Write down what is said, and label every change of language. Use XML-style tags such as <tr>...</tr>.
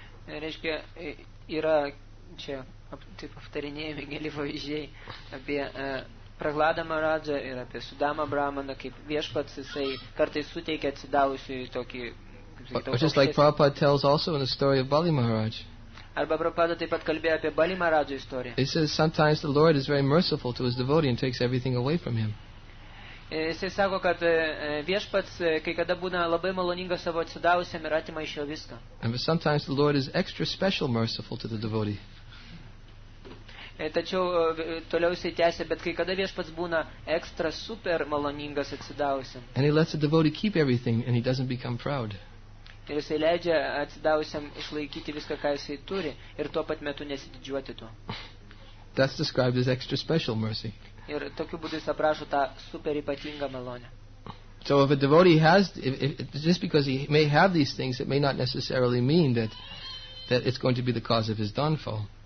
<lt>Reiškia, yra čia taip aptarinėjami keli pavyzdžiai apie Prahlada Maharaja ir apie Sudama Brahmana, kaip viešpats jisai kartais suteikia atsidavusiui tokį.</lt> <en>Just like Prabhupada tells also in the story of Bali Maharaj.</en> <lt>Arba Prabhupada taip pat kalbėjo apie Bali Maharaja istoriją.</lt> <en>He says sometimes the Lord is very merciful to his devotee and takes everything away from him.</en> <lt>Jisai sako, kad viešpats kai kada būna labai maloningas savo atsidavusiam ir atima iš jo viską.</lt> <en>And sometimes the Lord is extra special merciful to the devotee.</en> <lt>Tačiau toliau jisai tęsia, bet kai kada viešpats būna ekstra super maloningas atsidavusiam.</lt> <en>And he lets the devotee keep everything and he doesn't become proud.</en> <lt>Ir jisai leidžia atsidavusiam išlaikyti viską, ką jisai turi, ir tuo pat metu nesididžiuoti tuo.</lt> <en>That's described as extra special mercy.</en> <lt>Ir tokiu būdu jis aprašo tą super ypatingą malonę.</lt> <en>So if a devotee has, just because he may have these things, it may not necessarily mean that it's going to be the cause of his downfall.</en>